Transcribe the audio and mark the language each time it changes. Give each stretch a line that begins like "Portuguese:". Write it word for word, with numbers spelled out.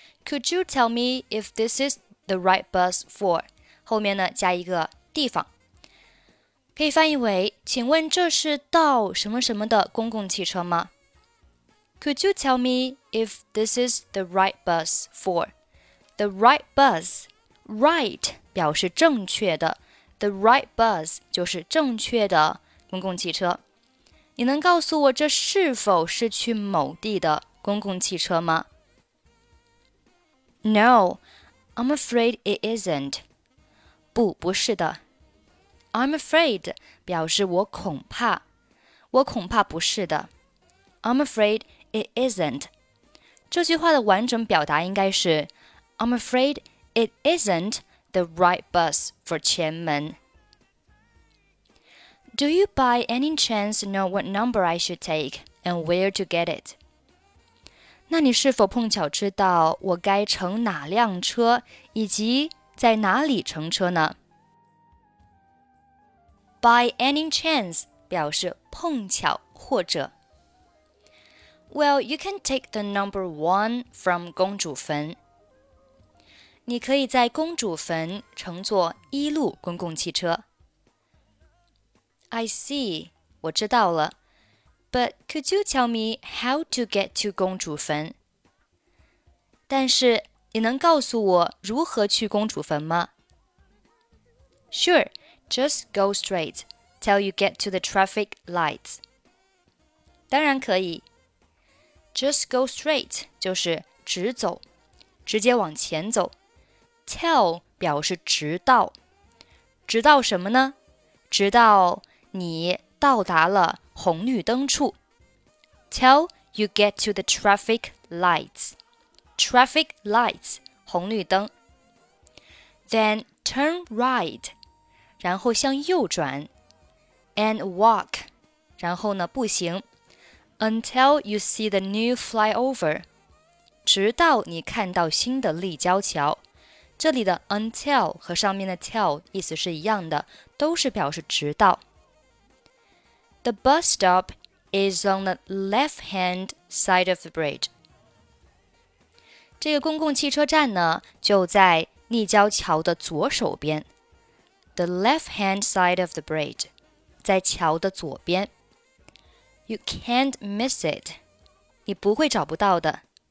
English: Could you tell me if this is the right bus for？
Chinese: 后面呢，加一个地方。可以翻译为，请问这是到什么什么的公共汽车吗？
English: Could you tell me if this is the right bus for? The right bus,
Chinese: right 表示正确的 The right bus 就是正确的公共汽车。你能告诉我这是否是去某地的公共汽车吗？
English: No, I'm afraid it isn't.
Chinese: 不，不是的。
English: I'm afraid
Chinese: 表示我恐怕，我恐怕不是的。
English: I'm afraid it isn't.
Chinese: 这句话的完整表达应该是
English: I'm afraid it isn't the right bus for 前门。 Do you by any chance know what number I should take and where to get it?
Chinese: 那你是否碰巧知道我该乘哪辆车，以及在哪里乘车呢？ By any chance 表示碰巧或者。
English: Well, you can take the number one from 公主坟。
Chinese: 你可以在公主坟乘坐一路公共汽车。
English: I see,
Chinese: 我知道了。
English: But could you tell me how to get to 公主坟？
Chinese: 但是你能告诉我如何去公主坟吗？
English: Sure. Just go straight till you get to the traffic lights.
Chinese: 当然可以。
English: Just go straight
Chinese: 就是直走，直接往前走。 Till 表示直到，直到什么呢？直到你到达了红绿灯处。
English: Till you get to the traffic lights. Traffic lights 红绿灯。 Then turn right.
Chinese: 然后向右转
English: and walk
Chinese: 然后呢步行
English: until you see the new flyover
Chinese: 直到你看到新的立交桥。这里的 until 和上面的 till 意思是一样的，都是表示直到。
English: The bus stop is on the left-hand side of the bridge.
Chinese: 这个公共汽车站呢，就在立交桥的左手边。
English: The left-hand side of the bridge,
Chinese: 在桥的左边。
English: You can't miss it,
Chinese: 你不会找不到的。